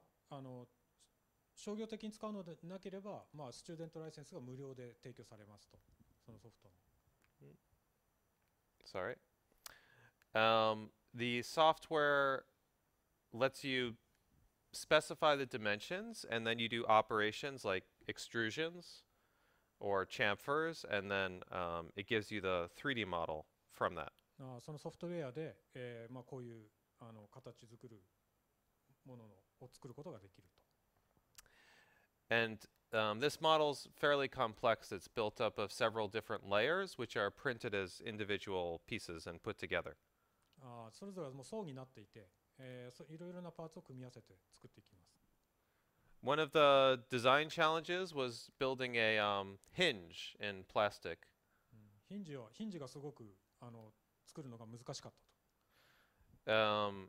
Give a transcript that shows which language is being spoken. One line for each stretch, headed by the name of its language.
Japanese: あの、商業的に使うのでなければ、まあ、スチューデントライセンスが無料で提供されますと、そのソフトの。
English: Sorry. The software lets you specify the dimensions and then you do operations like extrusions or chamfers and then it gives you the 3D model from that.
Japanese: そのソフトウェアで、まあ、こういうあの形作るものを作ることができると。
English: And this model's fairly complex. It's built up of several different layers, which are printed as individual pieces and put together.
Japanese: それぞれもう層になっていて、いろいろなパーツを組み合わせて作っていきます。
English: One of the design challenges was building a hinge in plastic.
Japanese: ヒンジがすごくあの作るのが難しかったと。